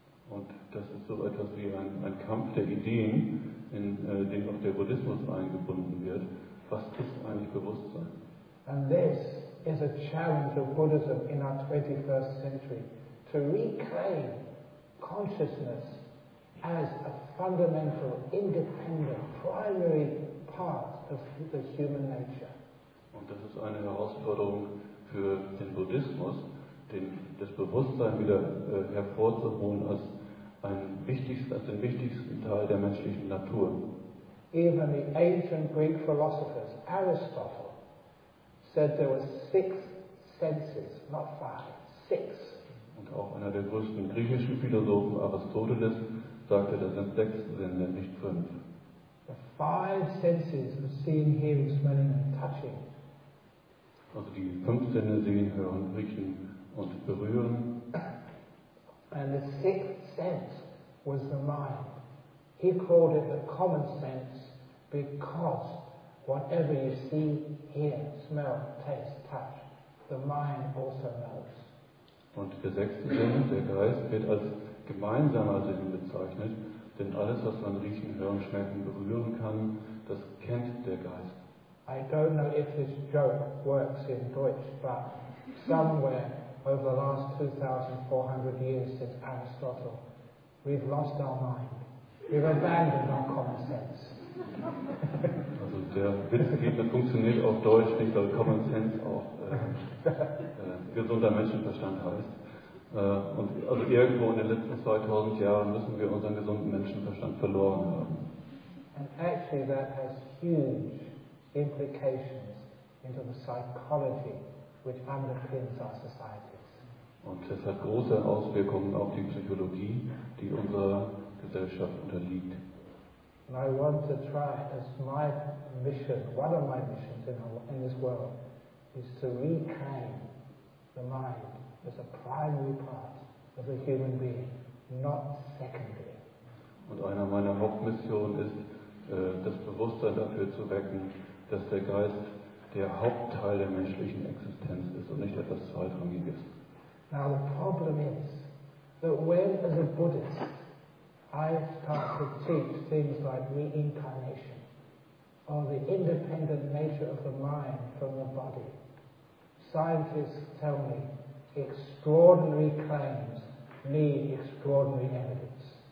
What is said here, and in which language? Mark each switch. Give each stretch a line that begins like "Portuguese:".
German: Und das ist so etwas wie ein Kampf der Ideen, in den auch der Buddhismus eingebunden wird. Was ist eigentlich Bewusstsein?
English: And this is a challenge of Buddhism in our 21st century. To reclaim consciousness as a fundamental, independent, primary part of the human nature.
German: Und das ist eine Herausforderung für den Buddhismus, das Bewusstsein wieder hervorzuholen als den wichtigsten Teil der menschlichen Natur.
English: Even the ancient Greek philosophers, Aristotle, said there were 6 senses, not 5, 6.
German: Und auch einer der größten griechischen Philosophen, Aristoteles, sagte, da sind 6 Sinne, nicht 5.
English: The 5 senses of seeing, hearing, smelling and touching.
German: Also die 5 Sinne sehen, hören, riechen und berühren.
English: And the 6th sense was the mind. He called it the common sense because whatever you see, hear, smell, taste, touch, the mind also knows.
German: Und der 6. Sinn, der Geist, wird als gemeinsamer Sinn bezeichnet, denn alles, was man riechen, hören, schmecken, berühren kann, das kennt der Geist.
English: I don't know if this joke works in Deutsch, but somewhere over the last 2,400 years since Aristotle, we've lost our mind. We've abandoned our common sense.
German: Also der Witz geht, das funktioniert auf Deutsch nicht, weil Common Sense auch gesunder Menschenverstand heißt. Und also irgendwo in den letzten 2000 Jahren müssen wir unseren gesunden Menschenverstand verloren haben.
English: And actually that has huge implications into the psychology which underpins our societies.
German: Und das hat große Auswirkungen auf die Psychologie, die unserer Gesellschaft unterliegt.
English: And I want to try as my mission, one of my missions in this world, is to reclaim the mind as a primary part of a human being, not secondary.
German: Und einer meiner Hauptmissionen ist, das Bewusstsein dafür zu wecken, dass der Geist der Hauptteil der menschlichen Existenz ist und nicht etwas Zweitrangiges.
English: Now the problem is that when, as a Buddhist, I start to teach things like reincarnation or the independent nature of the mind from the body, scientists tell me extraordinary claims need extraordinary evidence.